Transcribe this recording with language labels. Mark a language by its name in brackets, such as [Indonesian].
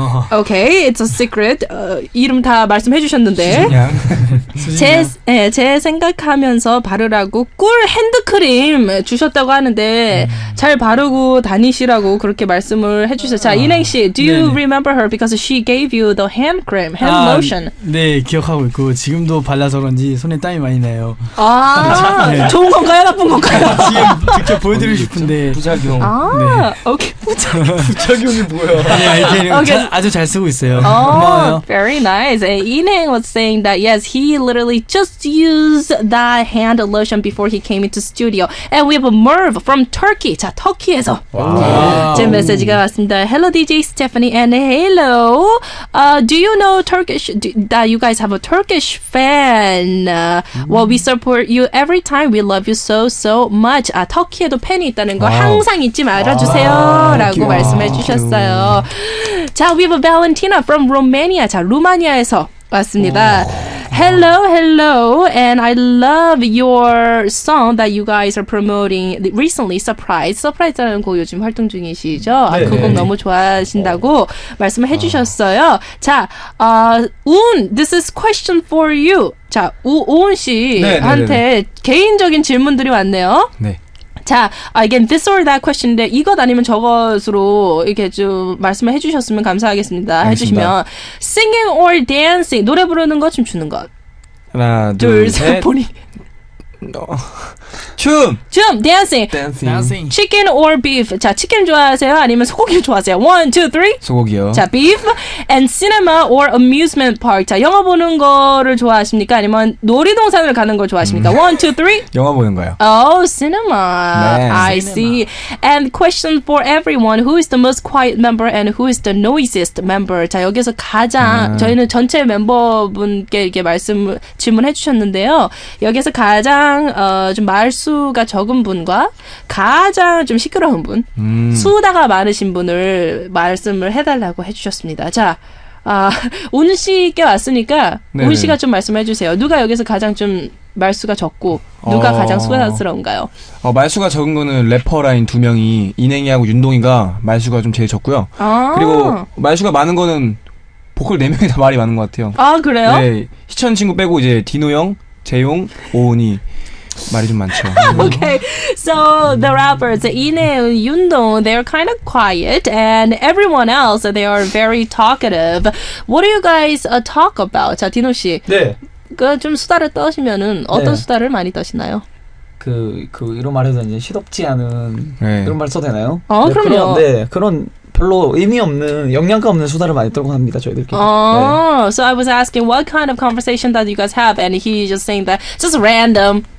[English] Okay, it's a secret. [Korean] 이름 다 말씀해 주셨는데. 제 생각하면서 바르라고 꿀 핸드크림 주셨다고 하는데 잘 바르고 다니시라고 그렇게 말씀을 해 주셨어요. 자, 인행 씨, [English] do you [Korean] 네네. [English] remember her because she gave you the hand cream, hand lotion? [Korean] 네, 기억하고 있고 지금도 발라서 그런지 손에 땀이 많이 나요. 아, 네. 좋은 건가요, 나쁜 건가요? 지금 직접 보여드리고 싶은데 부작용. 아, 네. 오케이, 부작용이 뭐예요? 아니, 이렇게 okay. 아주 잘 쓰고 있어요. [English] Oh, [Korean] 고마워요. [English] Very nice. And Inheng was saying that yes, he literally just used the hand lotion before he came into studio. And we have a Merv from Turkey. [Korean] 자, 터키에서 제 메시지가 왔습니다. [English] Hello, DJ Stephanie, and hello. Do you know Turkish? That you guys have a Turkish fan? Well, we support you every time. We love you so much. [Korean] 아, 터키에도 팬이 있다는 거 항상 잊지 말아주세요라고 말씀해 주셨어요. [English] 자, we have a Valentina from Romania. [Korean] 자, 루마니아에서 왔습니다. [English] Hello, hello, and I love your song that you guys are promoting recently. [Korean] Surprise, Surprise라는 곡 요즘 활동 중이시죠? 네, 아, 그 곡 네, 너무 좋아하신다고 말씀을 해주셨어요. [English] 자, 운, this is question for you. [Korean] 자, 우운 씨한테 네, 네, 네, 네. 개인적인 질문들이 왔네요. 네. 자, [English] again, this or that question [Korean] 인데 이것 아니면 저것으로 이렇게 좀 말씀을 해주셨으면 감사하겠습니다. 알겠습니다. 해주시면 [English] singing or dancing, [Korean] 노래 부르는 것, 춤 추는 것. 하나, 둘, 셋, 보니 춤! 춤! [English] Dancing. Dancing! Chicken or beef? [Korean] 자, 치킨 좋아하세요? 아니면 소고기를 좋아하세요? 1, 2, 3! 소고기요. [English] 자, beef! And cinema or amusement park? [Korean] 자, 영화 보는 거를 좋아하십니까? 아니면 놀이동산을 가는 걸 좋아하십니까? 1, 2, 3! 영화 보는 거요. [English] Oh, cinema! [Korean] 네. [English] I see. And question for everyone. Who is the most quiet member and who is the noisiest member? [Korean] 자, 여기서 가장 저희는 전체 멤버분께 이렇게 말씀 질문해 주셨는데요. 여기서 가장 좀 말수가 적은 분과 가장 좀 시끄러운 분, 수다가 많으신 분을 말씀을 해달라고 해주셨습니다. 자, 운 씨께 왔으니까 네. 운 씨가 좀 말씀해 주세요. 누가 여기서 가장 좀 말수가 적고 누가 가장 수다스러운가요? 말수가 적은 거는 래퍼라인 두 명이 인행이하고 윤동이가 말수가 좀 제일 적고요. 그리고 말수가 많은 거는 보컬 네 명이 다 말이 많은 것 같아요. 아, 그래요? 네, 희천 친구 빼고 이제 디노 형, 재용, 오은이 말이 좀 많죠. [English] Okay, so the rappers, Inheng, Yundong, they're kind of quiet, and everyone else, they are very talkative. What do you guys talk about? [Korean] 자, 디노 씨. 네. 그 좀 수다를 떠시면은 어떤 네. 수다를 많이 떠시나요? 그 이런 말해서 이제 시덥지 않은 네. 그런 말 써도 되나요? 아, 네, 그럼요. 그런데 네, 그런 별로 의미 없는 영양가 없는 수다를 많이 떨고 합니다 저희들끼리. [English] So I was asking what kind of conversation that you guys have, and he just saying that just random.